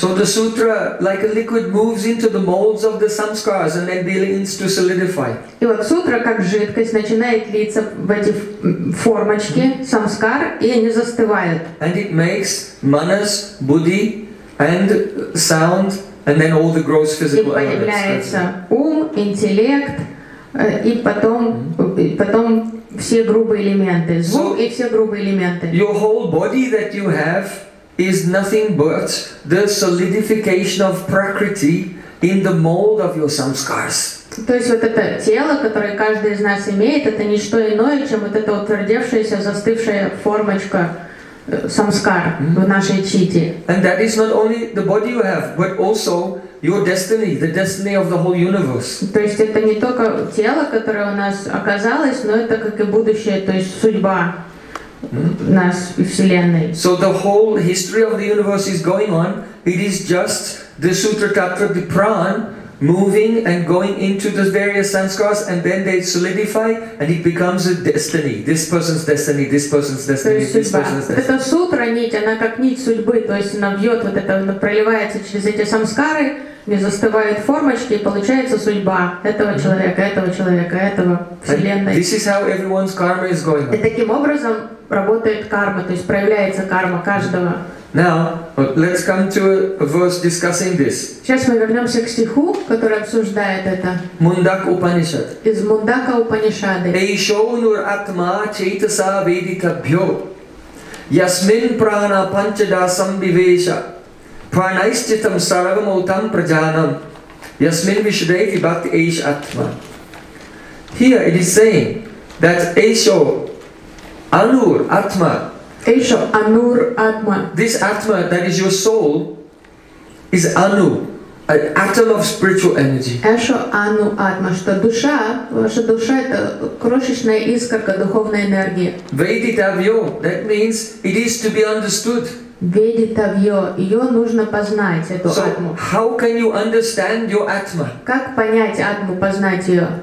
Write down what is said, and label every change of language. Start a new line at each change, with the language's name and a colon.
English: So the sutra, like a liquid, moves into the molds of the samskaras and then begins to solidify.
Russian: И вот сутра, как жидкость, начинает литься в эти формочки самскар, и они застывают.
English: And it makes manas, buddhi, and sound, and then all the gross physical elements.
Russian: И появляется ум, интеллект, и потом все грубые элементы, звук и все грубые элементы.
English: Your whole body that you have is nothing but the solidification of prakriti in the mold of your samskars.
Russian: То есть вот это тело, которое каждый из нас имеет, это не что иное, чем вот эта утвердевшаяся, застывшая формочка самскар в нашей чите.
English: And that is not only the body you have, but also your destiny, the destiny of the whole universe.
Russian: То есть это не только тело, которое у нас оказалось, но это как и будущее, то есть судьба нас и вселенной.
English: So the whole history of the universe is going on. It is just the sutra tattva, the prana, moving and going into the various sanskars, and then they solidify, and it becomes a destiny. This person's destiny. This person's destiny. This person's destiny.
Russian: Это сутра нить, она как нить судьбы, то есть она бьет вот это, она проливается через эти самскары, не застывают формочки, и получается судьба этого человека, этого человека, этого вселенной.
English: This is how everyone's karma is going.
Russian: И таким образом работает карма, то есть проявляется карма каждого.
English: Now, let's come to a verse discussing this.
Russian: Сейчас мы вернемся к стиху, который обсуждает это. Мундак Упанишад. Из Мундака Упанишады.
Sanskrit: Эйшо нур атма чейтаса ведита бьо. Ясмин прана панчада самбивеша. Пранайсчитам саравам утам праджанам. Ясмин вишрейти бат эйш атма.
English: Here it is saying that
Sanskrit: эйшо анур атма. Эйшо, анур, атма.
English: This атма, that is your soul, is ану, an atom of spiritual energy.
Sanskrit: Эйшо, ану, атма,
Russian: что душа, ваша душа — это крошечная искорка духовной энергии.
English: Вейдитавьо, that means it is to be understood.
Russian: Vedita-vyo, ее нужно познать, эту
English: so,
Russian: атму.
English: How can you understand your atma?
Russian: Как понять атму, познать ее?